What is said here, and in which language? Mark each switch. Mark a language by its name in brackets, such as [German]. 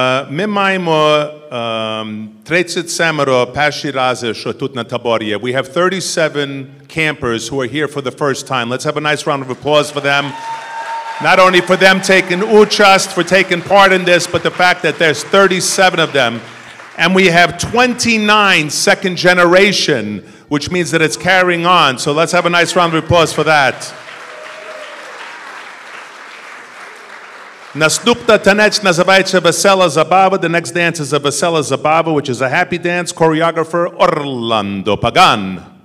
[Ukrainian] Ми маємо 37-ро перші рази, що тут на таборі. [English] We have 37 campers who are here for the first time. Let's have a nice round of applause for them. Not only for them taking участь, for taking part in this, but the fact that there's 37 of them. And we have 29 second generation, which means that it's carrying on. So let's have a nice round of applause for that. [Ukrainian] Наступна танець називається Весела Забава. [English] The next dance is a Весела Забава, which is a happy dance, choreographer Orlando Pagan.